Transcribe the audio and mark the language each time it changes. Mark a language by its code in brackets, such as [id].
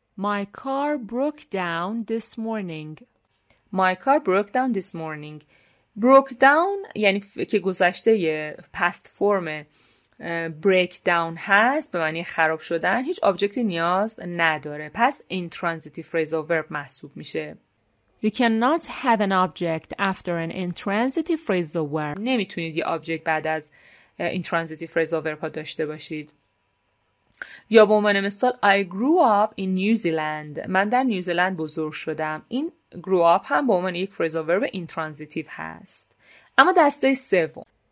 [en] My car broke down this morning. My car broke down this morning. [fa] Broke down یعنی که گذشته یه past form break down هست، به معنی خراب شدن، هیچ آبجکتی نیاز نداره، پس intransitive phrasal verb محسوب میشه. [en] You cannot have an object after an intransitive phrasal verb. [fa] نمیتونید یه آبجکت بعد از intransitive phrasal verb ها داشته باشید. یا به عنوان مثال [en] I grew up in New Zealand. [fa] من در نیوزیلند بزرگ شدم. این grew up هم به عنوان یک phrasal verb intransitive هست. اما دسته سوم